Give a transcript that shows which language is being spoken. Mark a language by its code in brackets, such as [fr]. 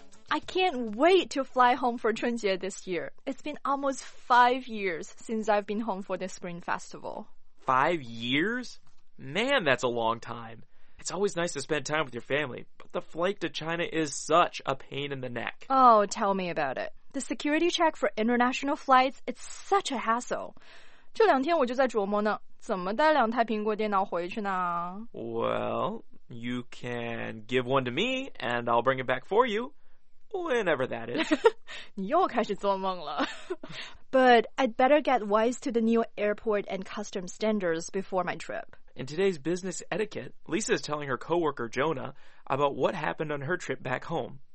[en] I can't wait to fly home for 春节 this year. It's been almost 5 years since I've been home for the Spring Festival. 5 years? Man, that's a long time. It's always nice to spend time with your family, but the flight to China is such a pain in the neck. Oh, tell me about it. The security check for international flights, it's such a hassle. [zh] 这两天我就在琢磨呢，怎么带两台苹果电脑回去呢？ [en] Well, you can give one to me, and I'll bring it back for you, whenever that is. [zh] 你又开始做梦了。 [en] But I'd better get wise to the new airport and customs standards before my trip. In today's business etiquette, Lisa is telling her coworker Jonah about what happened on her trip back home.